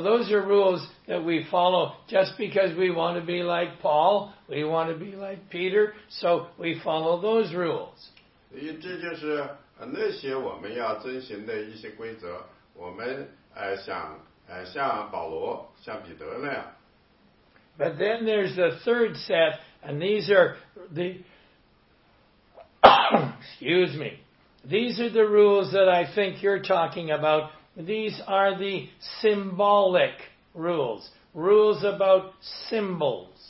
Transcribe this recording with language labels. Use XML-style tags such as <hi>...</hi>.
<en>those are rules that we follow just because we want to be like Paul, we want to be like Peter, so we follow those rules.</en> <zh>所以这就是那些我们要遵循的一些规则，我们想像保罗、像彼得那样。</zh> <en>But then there's the third set, and these are the, excuse me, these are the rules that I think you're talking about. These are the symbolic rules, rules about symbols.</en>